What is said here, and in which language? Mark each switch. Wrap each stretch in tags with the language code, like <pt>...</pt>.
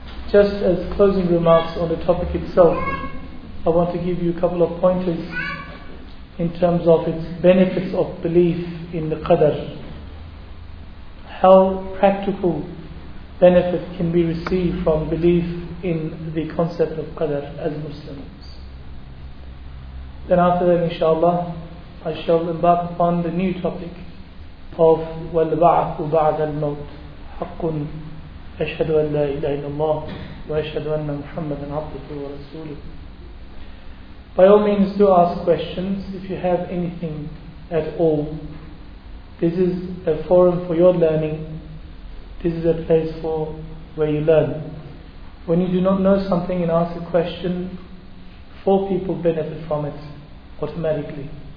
<en>just as closing remarks on the topic itself, I want to give you a couple of pointers in terms of its benefits of belief in the Qadr. How practical benefit can be received from belief in the concept of Qadr as Muslims. Then after that, inshallah, I shall embark upon the new topic of</en> <ar>وَالْبَعْثُ بَعْدَ الْمَوْتِ حَقٌ أشهد أن لا إله إلا الله وأشهد أن محمدا عبده ورسوله.</ar> <en>By all means, do ask questions if you have anything at all. This is a forum for your learning. This is a place for where you learn. When you do not know something and ask a question, four people benefit from it, automatically.</en>